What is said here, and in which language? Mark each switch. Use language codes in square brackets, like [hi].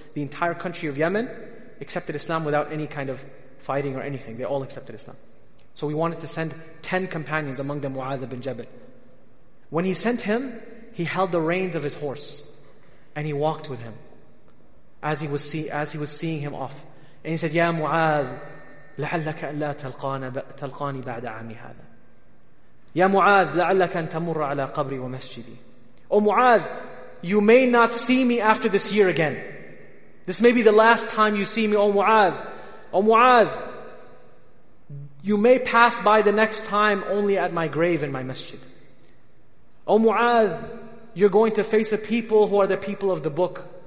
[en] The entire country of Yemen accepted Islam without any kind of fighting or anything. They all accepted Islam. So we wanted to send 10 companions, among them Mu'adh ibn Jabal. When he sent him, he held the reins of his horse and he walked with him as he was seeing him off. And he said, [ar] Ya Mu'adh, لَعَلَّكَ أَلَّا تَلْقَانِ بَعْدَ عَامِ هَذَا. Ya Mu'adh, لَعَلَّكَ أَن تَمُرَّ عَلَىٰ قَبْرِ وَمَسْجِدِي. [en] O Mu'adh, you may not see me after this year again. This may be the last time you see me, O Mu'adh. O Mu'adh, you may pass by the next time only at my grave and my masjid. O Mu'adh, you're going to face a people who are the people of the book.